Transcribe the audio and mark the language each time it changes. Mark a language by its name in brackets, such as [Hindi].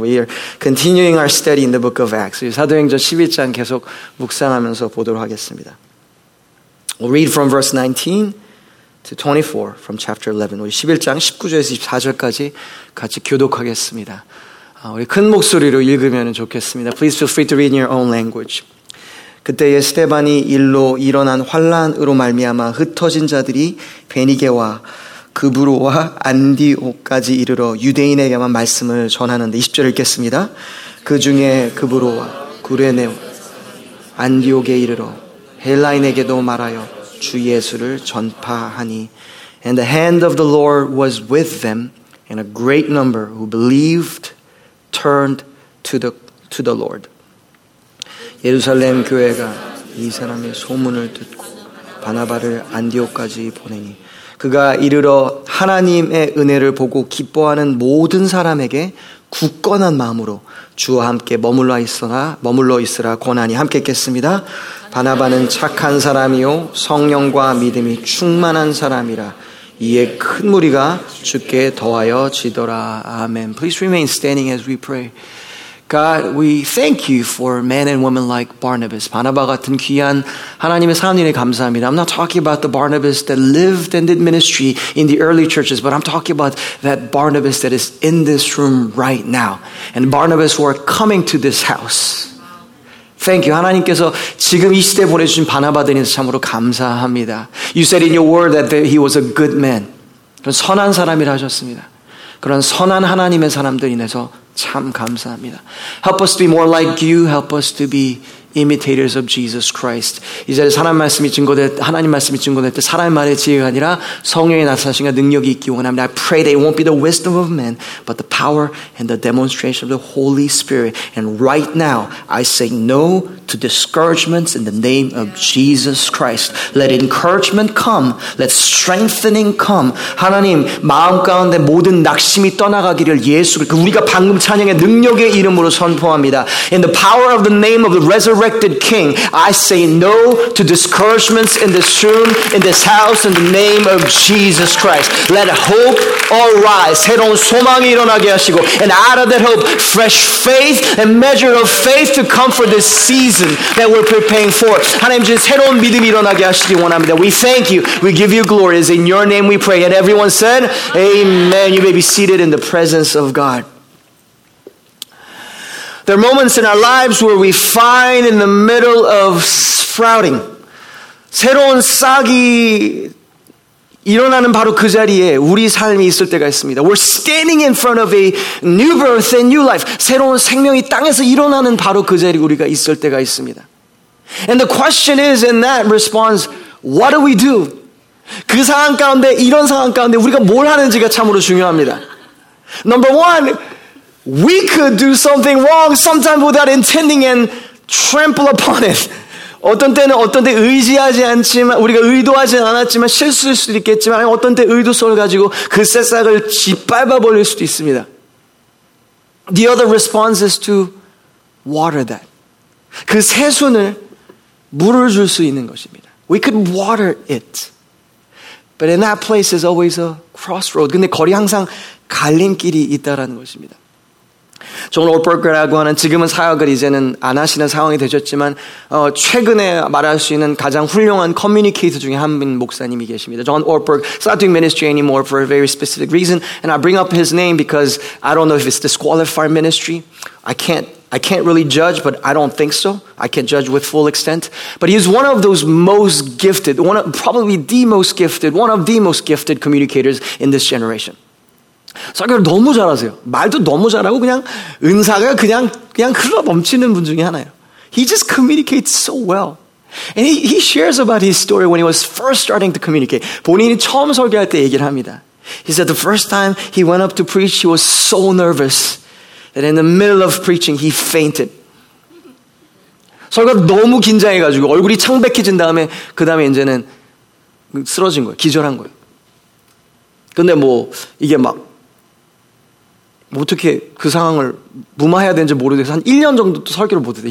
[English] We are continuing our study in the book of Acts. [Korean] 사도행전 11장 계속 묵상하면서 보도록 하겠습니다. [English] We'll read from verse 19 to 24 from chapter 11. [Korean] 우리 11장 19절에서 24절까지 같이 교독하겠습니다. 우리 큰 목소리로 읽으면 좋겠습니다. [English] Please feel free to read in your own language. [Korean] 그때에 스데반이 일로 일어난 환란으로 말미암아 흩어진 자들이 베니게와 그브로와 안디오까지 이르러 유대인에게만 말씀을 전하는데 20절을 읽겠습니다. 그 중에 그브로와 구레네와 안디옥에 이르러 헬라인에게도 말하여 주 예수를 전파하니 [English] And the hand of the Lord was with them and a great number who believed turned to the Lord. [Korean] 예루살렘 교회가 이 사람의 소문을 듣고 바나바를 안디옥까지 보내니 그가 이르러 하나님의 은혜를 보고 기뻐하는 모든 사람에게 굳건한 마음으로 주와 함께 머물러 있으라 권하니 함께 있겠습니다. 바나바는 착한 사람이요 성령과 믿음이 충만한 사람이라 이에 큰 무리가 주께 더하여 지더라. [English] 아멘. Please remain standing as we pray. God, we thank you for men and women like Barnabas. [Korean] 바나바 같은 귀한 하나님의 사람들에 감사합니다. [English] I'm not talking about the Barnabas that lived and did ministry in the early churches, but I'm talking about that Barnabas that is in this room right now. And Barnabas who are coming to this house. Thank you. [Korean] 하나님께서 지금 이 시대에 보내주신 바나바들에 참으로 감사합니다. [English] You said in your word that he was a good man. [Korean] 선한 사람이라 하셨습니다. 그런 선한 하나님의 사람들 인해서 참 감사합니다. [English] Help us to be more like you. Help us to be imitators of Jesus Christ. [Korean] 이제 하나님 말씀이 증거될 때 사람의 말의 지혜가 아니라 성령의 나타나심과 능력이 있기 원합니다. [English] I pray that it won't be the wisdom of men, but the power and the demonstration of the Holy Spirit. And right now, I say no to discouragements in the name of Jesus Christ. Let encouragement come. Let strengthening come. [Korean] 하나님, 마음 가운데 모든 낙심이 떠나가기를 예수, 우리가 방금 찬양의 능력의 이름으로 선포합니다. [English] In the power of the name of the resurrected King, I say no to discouragements in this room, in this house, in the name of Jesus Christ. Let hope arise. [Korean] 새로운 소망이 일어나게 하시고, [English] and out of that hope, fresh faith and measure of faith to come for this season. That we're preparing for. [Korean] 하나님 주님 새로운 믿음이 일어나게 하시기 원합니다. [English] We thank you. We give you glory. It's in your name we pray. And everyone said, Amen. You may be seated in the presence of God. There are moments in our lives where we find in the middle of sprouting. [Korean] 새로운 싹이 일어나는 바로 그 자리에 우리 삶이 있을 때가 있습니다. [English] We're standing in front of a new birth and new life. [Korean] 새로운 생명이 땅에서 일어나는 바로 그 자리에 우리가 있을 때가 있습니다. [English] And the question is in that response, what do we do? [Korean] 그 상황 가운데, 이런 상황 가운데 우리가 뭘 하는지가 참으로 중요합니다. [English] Number one, we could do something wrong sometimes without intending and trample upon it. [Korean] 어떤 때는 어떤 때 의지하지 않지만 우리가 의도하지 않았지만 실수일 수도 있겠지만 아니면 어떤 때 의도성을 가지고 그 새싹을 짓밟아 버릴 수도 있습니다. [English] The other response is to water that. [Korean] 그 새순을 물을 줄 수 있는 것입니다. [English] We could water it. But in that place is always a crossroad. [Korean] 근데 거리 항상 갈림길이 있다라는 것입니다. 존 올버그라고 하는 지금은 사역을 이제는 안 하시는 상황이 되셨지만 최근에 말할 수 있는 가장 훌륭한 커뮤니케이터 중에 한 분 목사님이 계십니다. [English] John Ortberg started doing ministry anymore for a very specific reason, and I bring up his name because I don't know if it's disqualified ministry. I can't really judge, but I don't think so. I can't judge with full extent. But he is one of those most gifted, one of the most gifted communicators in this generation. [Korean] 사교를 너무 잘하세요. 말도 너무 잘하고 그냥 은사가 그냥 흘러 넘치는 분 중에 하나예요. [English] He just communicates so well. And he shares about his story when he was first starting to communicate. [Korean] 본인이 처음 설교할 때 얘기를 합니다. [English] He said the first time he went up to preach, he was so nervous that in the middle of preaching, he fainted. [Korean] 설교가 너무 긴장해가지고 얼굴이 창백해진 다음에 그 다음에 이제는 쓰러진 거예요. 기절한 거예요. 근데 뭐 이게 막 어떻게 그 상황을 무마해야 되는지 모르겠어서 한 1년 정도 또 설교를 못했어요.